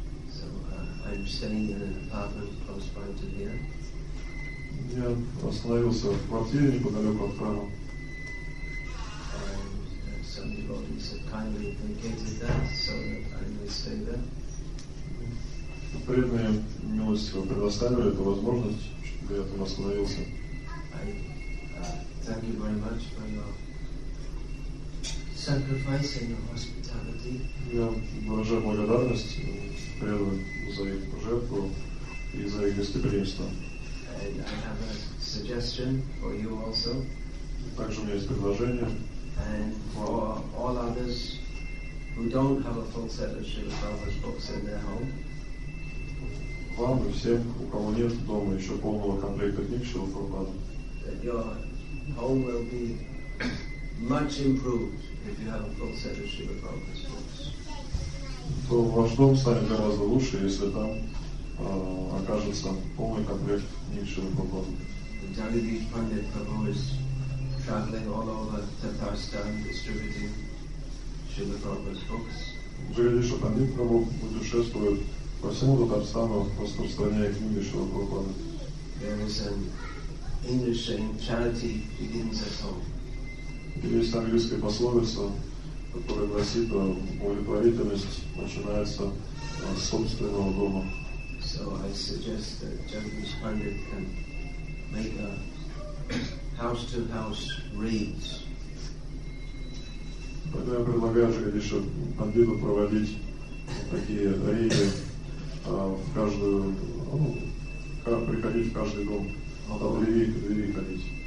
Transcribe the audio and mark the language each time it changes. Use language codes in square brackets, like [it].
[en] So, I'm staying in an apartment close by to here. [ru] Я остановился в квартире неподалеку от храма. [en] Some devotees have kindly indicated that, so that I may stay there. [ru] Преданные милостиво предоставили эту возможность, чтобы я там остановился. [en] I thank you very much for your sacrifice and your hospitality. [ru] Я выражаю благодарность преданным за их жертву и за их гостеприимство. [en] And I have a suggestion for you also. [ru] Также у меня есть предложение. [en] And for all others who don't have a full set of Srila Prabhupada's books in their home. [ru] Вам и всем, у кого нет дома еще полного комплекта книг Шрилы Прабхупады. [en] That your home will be much improved if you have a full set of Srila Prabhupada's books. [ru] То ваш дом станет гораздо лучше, если там окажется полный комплект книг Шрилы [en] Прабхупады. Traveling all over Tatarstan distributing Srila Prabhupada's books. [ru] Jagadish Pandit Prabhu путешествует по всему Татарстану, распространяя книги Шрилы Прабхупады. [en] There is an English saying, charity begins at home. [ru] Есть английская пословица, которое гласит о удовлетворительности, начинается с собственного дома. [en] So I suggest that Jagannath Pandit can make a house-to-house reads. [ru] Поэтому я предлагаю Джагадишу Пандиту проводить такие рейды в каждую, ну, приходить в каждый дом, в двери ходить.